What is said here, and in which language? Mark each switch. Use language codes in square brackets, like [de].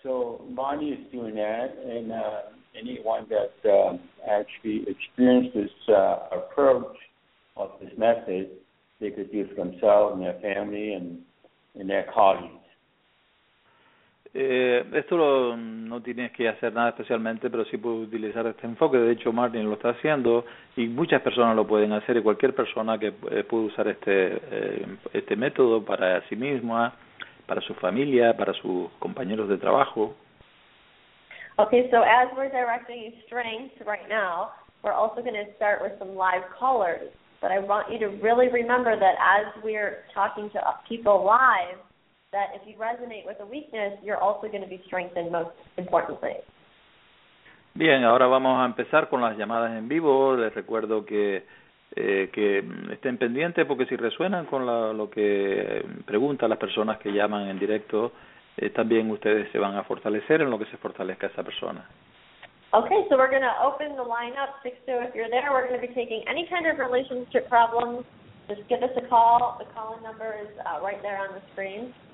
[en] So Bonnie is doing that, and anyone that actually experienced this approach of this method, they could do it for themselves and their family and their colleagues. [es] Esto lo, no tienes que hacer nada especialmente, pero sí puedes utilizar este enfoque. De hecho, Martin lo está haciendo y muchas personas lo pueden hacer, y cualquier persona que pueda usar este método para sí misma, para su familia, para sus compañeros de trabajo. [en] Okay, so as we're directing you strength right now, we're also going to start with some live callers. But I want you to really remember that as we're talking to people live, that if you resonate with a weakness, you're also going to be strengthened most importantly. [es] Bien, ahora vamos a empezar con las llamadas en vivo. Les recuerdo que estén pendientes, porque si resuenan con lo que preguntan las personas que llaman en directo, también ustedes se van a fortalecer en lo que se fortalezca esa persona. [en] Okay, so we're going to open the line up. Sixto, if you're there, we're going to be taking any kind of relationship problems. Just give us a call. The call-in number is right there on the screen.